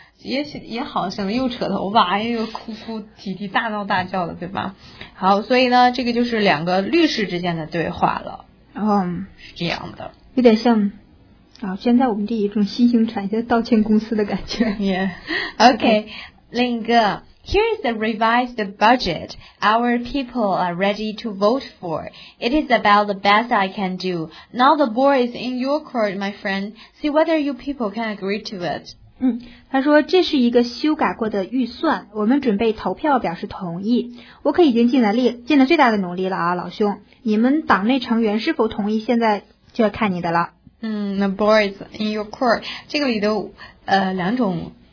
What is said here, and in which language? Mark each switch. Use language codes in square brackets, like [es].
[zh] 也好，省得又扯头发，又哭哭啼啼大闹大叫的，对吧？好，所以呢，这个就是两个律师之间的对话了。是这样的，有点像。现在我们这一种新兴产业道歉公司的感觉。 [en] Okay, [zh] 另一个 [en] Here is the revised budget our people are ready to vote for. It is about the best I can do. Now the board is in your court, my friend. See whether you people can agree to it. [zh] 他说这是一个修改过的预算，我们准备投票表示同意。我可已经尽了最大的努力了啊，老兄。你们党内成员是否同意，现在就要看你的了。 [en] The board is in your court. [zh] 这个里的两种